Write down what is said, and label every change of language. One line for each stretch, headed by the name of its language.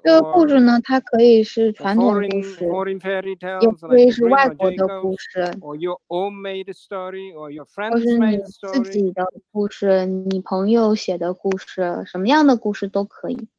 Chinese: 这个故事呢，它可以是传统故事，
English: foreign fairy tales,
Chinese: 也可以是外国的故事，
English: or your own made story, or your friend's made story.
Chinese: 或是你自己的故事，你朋友写的故事，什么样的故事都可以。